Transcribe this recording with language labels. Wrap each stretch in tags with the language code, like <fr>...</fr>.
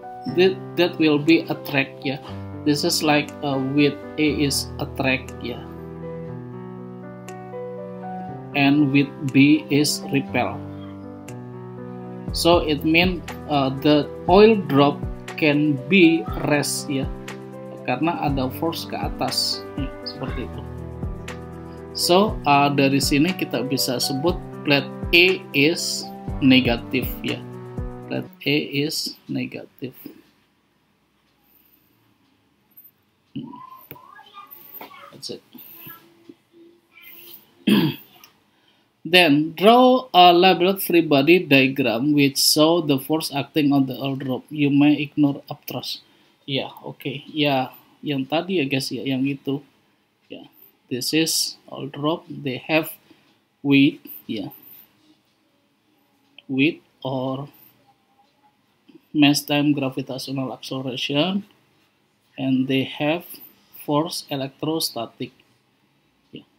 <en>That will be attract, yeah. This is like with A is attract, yeah. And with B is repel. So it means the oil drop can be rest, yeah.</en> <id>Karena ada force ke atas, ya, seperti itu. So dari sini kita bisa sebut</id> <en>plate A is</en> <id>negatif, ya.</id> <en>Plate A is negatif. That's it. Then draw a labeled free body diagram which show the force acting on the oil drop. You may ignore up thrust.</en> <id>Ya, oke.</id> <en>Okay.</en> <id>Ya, yang tadi ya guys, ya, yang itu. Ya. Yeah.</id> <en>This is oil drop, they have weight, ya. Yeah. Weight or mass time gravitational acceleration and they have force electrostatic. Ya, yeah.</en>